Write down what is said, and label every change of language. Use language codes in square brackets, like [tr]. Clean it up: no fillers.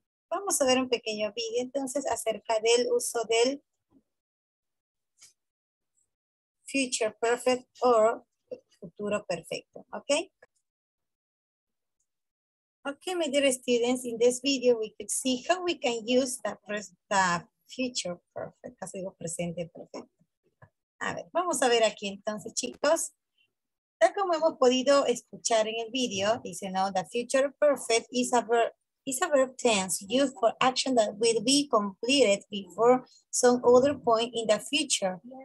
[es] Vamos a ver un pequeño video entonces acerca del uso del future perfect o futuro perfecto, ¿ok? [en] Ok, my dear students, in this video we could see how we can use the Future perfect. [es] Así digo presente perfecto. A ver, vamos a ver aquí entonces, chicos. Tal como hemos podido escuchar en el video, dice, ¿no? [en] The future perfect is a verb. It's a verb tense used for action that will be completed before some other point in the future.